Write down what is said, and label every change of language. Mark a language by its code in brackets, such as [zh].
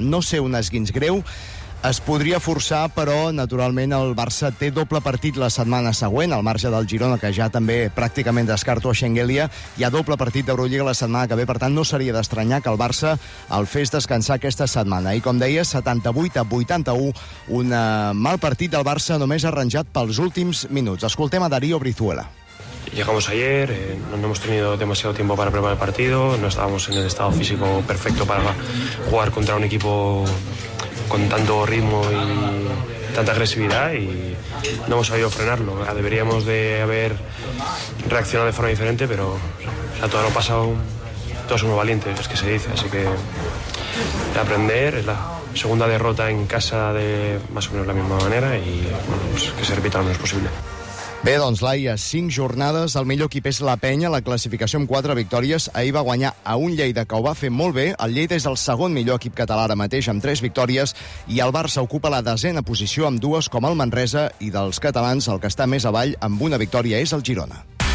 [ca] No ser un esguinç greu, es podria forçar, però naturalment el Barça té doble partit la setmana següent, al marge del Girona, que ja també pràcticament descarto a Shengelia. Hi ha doble partit d'Eurolliga la setmana que ve, per tant no seria d'estranyar que el Barça el fes descansar aquesta setmana. I com deia, 78-81, un mal partit del Barça només arranjat pels últims minuts. Escoltem a Darío Brizuela. [es] Llegamos ayer, no hemos tenido demasiado tiempo para preparar el partido, no estábamos en el estado físico perfecto para jugar contra un equipo con tanto ritmo y tanta agresividad, y no hemos sabido frenarlo. Deberíamos de haber reaccionado de forma diferente, pero o sea, todo lo pasado, todos somos valientes, es que se dice, así que aprender, es la segunda derrota en casa de más o menos la misma manera, y bueno, pues, que se repita lo menos posible. [ca] Bé, doncs, Laia, 5 jornades, el millor equip és la Penya, la classificació amb 4 victòries. Ahir va guanyar a un Lleida, que ho va fer molt bé. El Lleida és el segon millor equip català ara mateix, amb 3 victòries, i el Barça ocupa la desena posició amb 2, com el Manresa, i dels catalans el que està més avall amb una victòria és el Girona.